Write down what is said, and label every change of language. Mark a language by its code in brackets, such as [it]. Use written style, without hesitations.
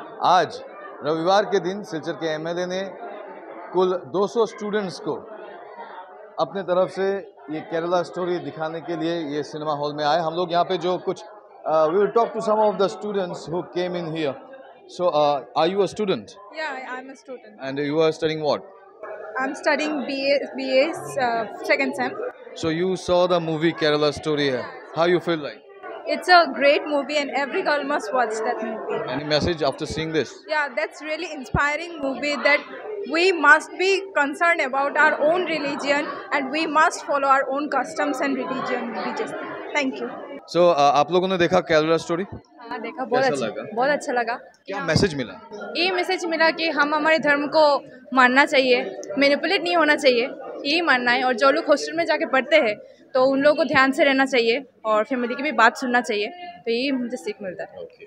[hi] आज रविवार के दिन सिलचर के एमएलए ने कुल 200 स्टूडेंट्स को अपने तरफ से ये केरला स्टोरी दिखाने के लिए ये सिनेमा हॉल में आए। हम लोग यहाँ पे जो कुछ [en] We will talk to some of the students who came in here. So are you a student? या I am a student. And you are studying what? I am studying BA second sem. So you saw the movie Kerala story? है how you feel like? It's a great movie and every girl must watch that movie. Any message after seeing this? Yeah, that's really inspiring movie that we must be concerned about our own religion and we must follow our own customs and religion. Thank you. [hi] So, आप लोगों ने देखा Kerala story? हाँ देखा, बहुत अच्छा लगा। क्या मैसेज मिला? ये मैसेज मिला कि हम हमारे धर्म को मानना चाहिए, मैनिपुलेट नहीं होना चाहिए, यही मानना है। और जो लोग हॉस्टल में जाके पढ़ते हैं तो उन लोगों को ध्यान से रहना चाहिए और फैमिली की भी बात सुनना चाहिए, तो यही मुझे सीख मिलता है।